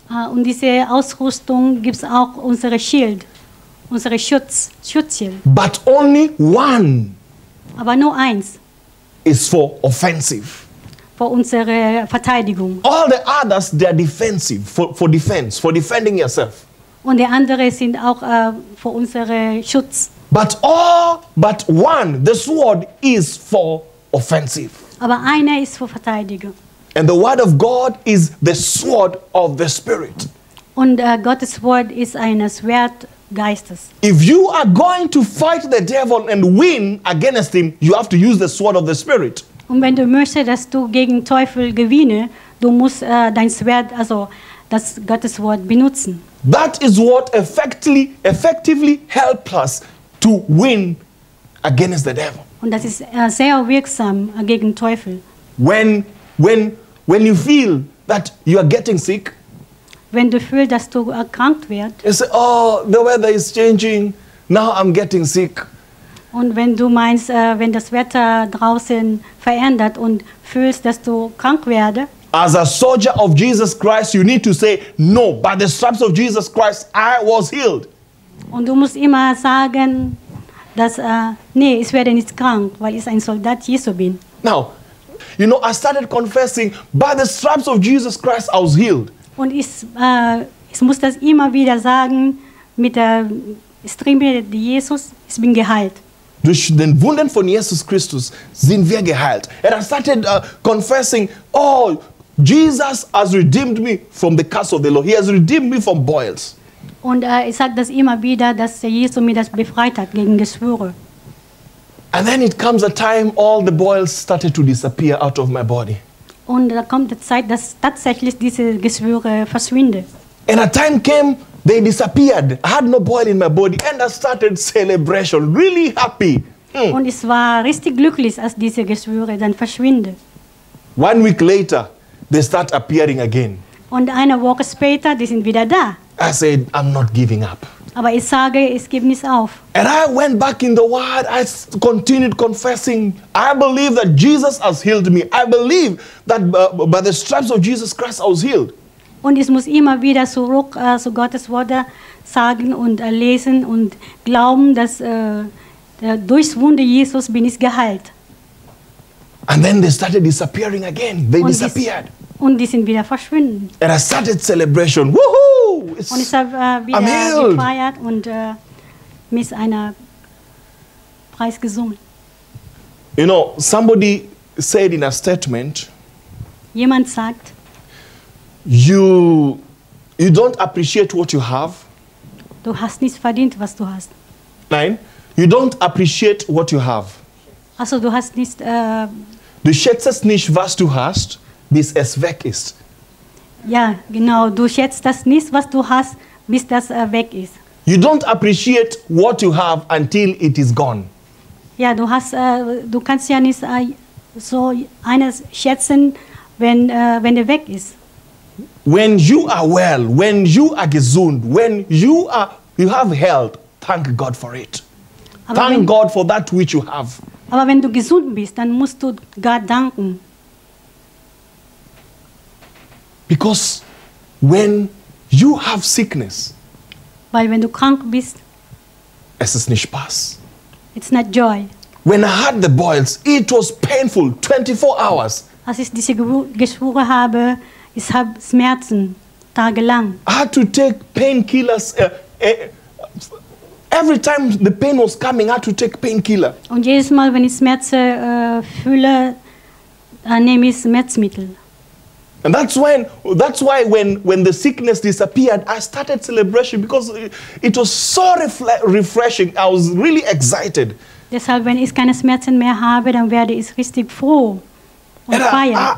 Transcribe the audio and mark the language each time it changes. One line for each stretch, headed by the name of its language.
German: Und diese Ausrüstung gibt es auch unsere Schild, unsere Schutzschild.
English: But only one.
German: Aber nur eins.
English: Is for offensive.
German: Für unsere Verteidigung.
English: All the others, they are defensive, for defense, for defending yourself.
German: Und die anderen sind auch für unseren Schutz.
English: But all but one, the sword is for offensive.
German: Aber einer ist für Verteidigung.
English: And the word of God is the sword of the spirit.
German: Und Gottes Wort ist ein Schwert Geistes.
English: If you are going to fight the devil and win against him, you have to use the sword of the spirit.
German: Und wenn du möchtest, dass du gegen Teufel gewinne, du musst dein Schwert, also das Gottes Wort, benutzen.
English: That is what effectively helps us to win against the devil.
German: Und das ist sehr wirksam gegen Teufel.
English: When you feel that you are getting sick,
German: wenn du fühlst, dass du erkrankt wirst,
English: you say, oh, the weather is changing, now I'm getting sick.
German: Und wenn du meinst, wenn das Wetter draußen verändert und fühlst, dass du krank werde.
English: As a soldier of Jesus Christ, you need to say, no, by the stripes of Jesus Christ, I was healed.
German: Und du musst immer sagen, dass, nee, ich werde nicht krank, weil ich ein Soldat Jesu bin.
English: Now, you know, I started confessing, by the stripes of Jesus Christ, I was healed.
German: Und ich muss das immer wieder sagen, mit der Striemen Jesus, ich bin geheilt. Durch den Wunden von Jesus Christus sind wir geheilt.
English: And I started confessing, oh, Jesus has redeemed me from the curse of the law. He has redeemed me from boils.
German: Und ich sage das immer wieder, dass Jesus mir das befreit hat gegen Geschwüre.
English: And then it comes a time all the boils started to disappear out of my body.
German: Und da kommt die Zeit, dass tatsächlich diese Geschwüre verschwinden.
English: And a time came, they disappeared. I had no boil in my body and I started celebration, really happy. Mm.
German: Und ich war richtig glücklich, als diese Geschwüre dann verschwinden.
English: 1 week later, they start appearing again.
German: Und eine Woche später, die sind wieder da.
English: I said, I'm not giving up.
German: Aber ich sage, ich gebe nicht auf.
English: And I went back in the Word. I continued confessing. I believe that Jesus has healed me. I believe that by the stripes of Jesus Christ I was healed.
German: Und ich muss immer wieder zurück zu Gottes Wort sagen und lesen und glauben, dass durch Wunde Jesus bin ich geheilt.
English: And then they started disappearing again. They und disappeared.
German: Und die sind wieder verschwunden.
English: And I started celebration. Woohoo!
German: It's, und ich habe wieder gefeiert und mit einer Preis gesungen.
English: You know, somebody said in a statement.
German: Jemand sagt.
English: You don't appreciate what you have.
German: Du hast nicht verdient, was du hast.
English: Nein, you don't appreciate what you have.
German: Also du hast nicht. Du schätzt nicht, was du hast, bis es weg ist. Ja, genau. Du schätzt das nicht, was du hast, bis das weg ist.
English: You don't appreciate what you have until it is gone.
German: Ja, du hast, du kannst ja nicht so eines schätzen, wenn er weg ist.
English: When you are well, when you are gesund, when you have health, thank God for it. Aber thank God for that which you have.
German: Aber wenn du gesund bist, dann musst du Gott danken.
English: Because when you have sickness,
German: weil wenn du krank bist, es ist nicht Spaß.
English: It's not joy. When I had the boils, it was painful, 24 hours.
German: Als ich diese Geschwüre habe, ich habe Schmerzen tagelang.
English: I had to take painkillers. Every time the pain was coming, I had to take painkiller.
German: Und jedes Mal, wenn ich Schmerzen fühle, nehme ich Schmerzmittel.
English: And that's why when the sickness disappeared, I started celebration because it was so refreshing. I was really excited.
German: Deshalb, wenn ich keine Schmerzen mehr habe, dann werde ich richtig froh und feiern.